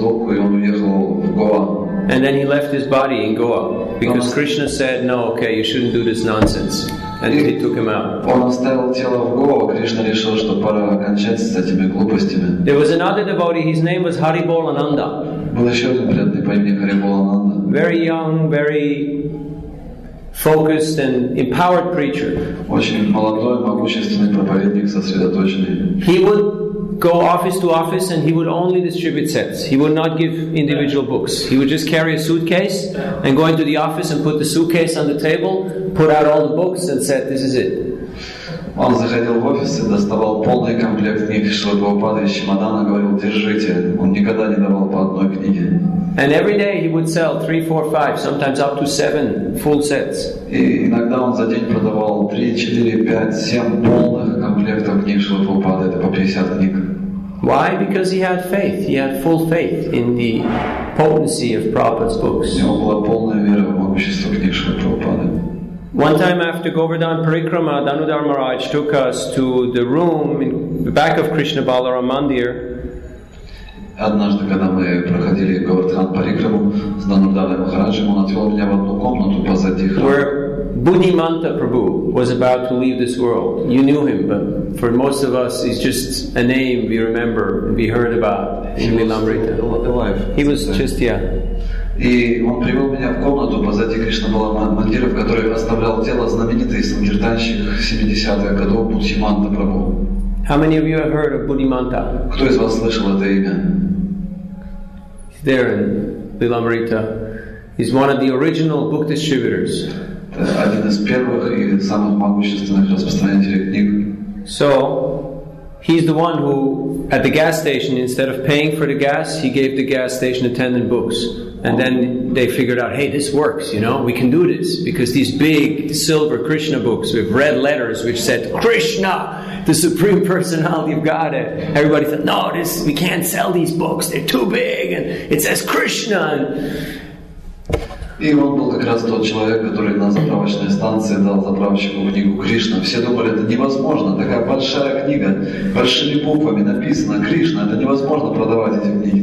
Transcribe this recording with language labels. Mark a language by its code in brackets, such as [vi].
[en] And then he left his body in Goa because Krishna said, "No, okay, you shouldn't do this nonsense." And he took him out. [ru] Он оставил тело в Гоа. Кришна решил, что пора кончаться с этими глупостями. [en] There was another devotee. His name was Haribolananda. [ru] Был еще один преданный по имени Хариболананда. [en] Very young, very focused and empowered preacher. [ru] Очень молодой, могущественный проповедник, сосредоточенный. [en] He would go office to office and he would only distribute sets. He would not give individual books. He would just carry a suitcase and go into the office and put the suitcase on the table, put out all the books and said, "This is it." [ru] Он заходил в офис и доставал полный комплект книг, шел по упаду из чемодана, говорил, держите. Он никогда не давал по одной книге. [en] And every day he would sell 3, 4, 5, sometimes up to 7 full sets. [ru] И иногда он за день продавал 3, 4, 5, 7 полных комплектов книг Шрилы Прабхупады, это по 50 книг. [en] Why? Because he had faith. He had full faith in the potency of Prabhupada's books. [ru] У него была полная вера в могущество книг Шрилы Прабхупады. [en] One time after Govardhan Parikrama, Danudhar Maharaj took us to the room in the back of Krishna Balaram Mandir. [ru] Однажды, когда мы проходили Говардхан Парикраму с Данурдарой Махараджем, он отвел меня в одну комнату позади храма. [en] Where Буддиманта Прабху was about to leave this world. You knew him, but for most of us, he's just a name we remember, we heard about in Lilamrita. He was just, yeah. [ru] И он привел меня в комнату позади Кришна Баламандира, в которой оставлял тело знаменитый санкиртанщик 70-х годов Буддиманта Прабху. [en] How many of you have heard of Buddhimanta? [ru] Кто из вас слышал это имя? [en] He's there in Lilamrita. He's one of the original book distributors. [ru] Один из первых и самых могущественных распространителей книг. [en] So, he's the one who, at the gas station, instead of paying for the gas, he gave the gas station attendant books. And then they figured out, hey, this works, you know, we can do this. Because these big silver Krishna books with red letters which said, Krishna, the Supreme Personality of Godhead. Everybody thought, no, this, we can't sell these books, they're too big, and it says Krishna. [ru] И он был как раз тот человек, который на заправочной станции дал заправщику книгу Кришна. Все думали, это невозможно, такая большая книга, большими буквами написана Кришна, это невозможно продавать эти книги.